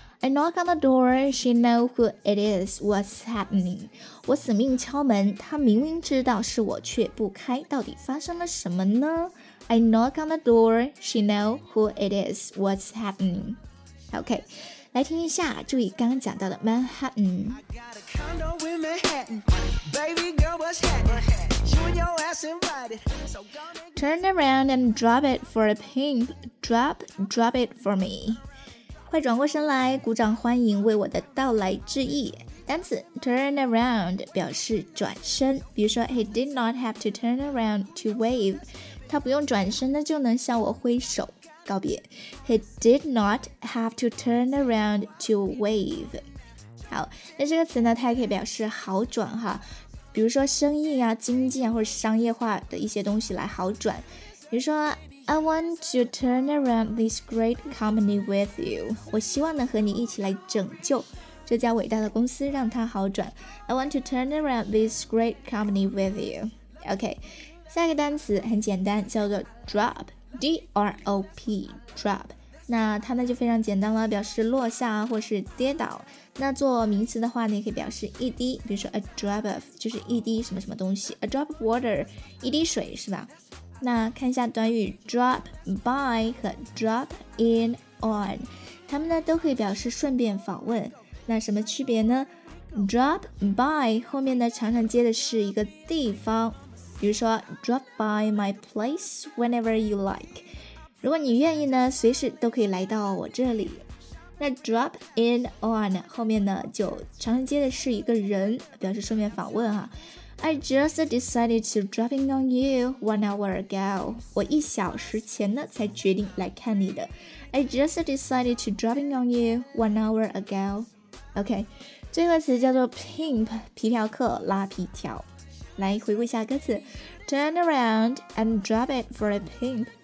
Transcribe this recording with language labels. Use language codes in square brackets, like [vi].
[en] I knock on the door, she know who it is, what's happening? [zh] 我死命敲门，她明明知道是我却不开，到底发生了什么呢？ [en] I knock on the door, she know who it is, what's happening? OK, [zh] 来听一下，注意刚刚讲到的 [en] Manhattan. I got a condo in Manhattan, baby girl, what's happening? You and your ass invited, so turn around and drop it for a pimp, drop it for me. [zh] 快转过身来，鼓掌欢迎为我的到来致意。单词 turn around 表示转身，比如说 [en] he did not have to turn around to wave， [zh] 他不用转身的就能向我挥手告别。 [en] He did not have to turn around to wave。 [zh] 好，那这个词呢，它也可以表示好转哈，比如说生意啊、经济啊或者商业化的一些东西来好转，比如说。 [en] I want to turn around this great company with you. [zh] 我希望能和你一起来拯救这家伟大的公司，让它好转。 [en] I want to turn around this great company with you. [zh] OK, 下一个单词很简单，叫做 drop, D-R-O-P, drop. 那它呢就非常简单了，表示落下或是跌倒。那做名词的话呢，也可以表示一滴，比如说 a drop of, 就是一滴什么什么东西。 A drop of water, 一滴水是吧？那看一下短语 drop by 和 drop in on， 它们呢都可以表示顺便访问。那什么区别呢？ [en] drop by 后面呢常常接的是一个地方，比如说 drop by my place whenever you like， [zh] 如果你愿意呢，随时都可以来到我这里。那 drop in on 后面呢就常常接的是一个人，表示顺便访问哈。 [en] I just decided to drop in on you 1 hour ago. [zh] 我一小时前呢才决定来看你的。 [en] I just decided to drop in on you 1 hour ago. [zh] OK, 最后词叫做 pimp, 皮条客拉皮条。来回顾一下歌词。 [en] Turn around and drop it for a pimp.